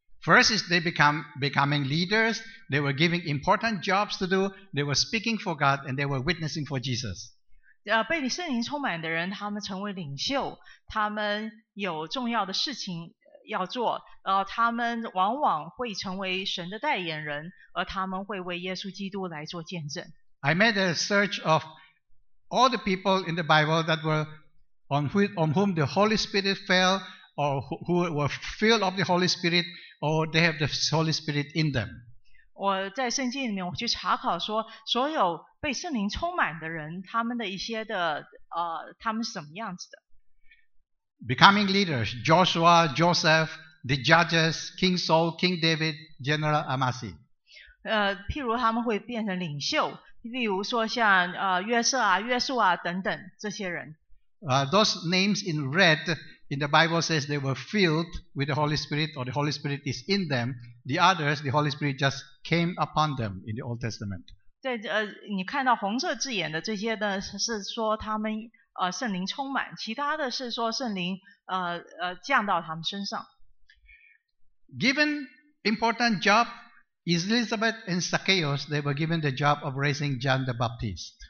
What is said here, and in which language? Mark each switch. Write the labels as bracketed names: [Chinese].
[English] First is they becoming leaders, they were giving important jobs to do, they were speaking for God, and they were witnessing for Jesus. [Chinese] 被圣灵充满的人他们成为领袖，他们有重要的事情要做，他们往往会成为神的代言人，而他们会为耶稣基督来做见证。 [English] I made a search ofAll the people in the Bible that were on whom the Holy Spirit fell, or who were filled of the Holy Spirit, or they have the Holy Spirit in them. [Chinese] 我在圣经里面我去查考说，所有被圣灵充满的人，他们的一些的他们什么样子的 [English] ？Becoming leaders: Joshua, Joseph, the judges, King Saul, King David, General Amasi. [Chinese] 譬如他们会变成领袖。例如说像约瑟啊、约书啊等等这些人。 [English] Those names in red in the Bible says they were filled with the Holy Spirit or the Holy Spirit is in them. The others, the Holy Spirit just came upon them in the Old Testament. [Chinese] 对，你看到红色字眼的这些呢，是说他们圣灵充满，其他的是说圣灵降到他们身上。 [English] Given important job. Elizabeth and Zacchaeus, they were given the job of raising John the Baptist.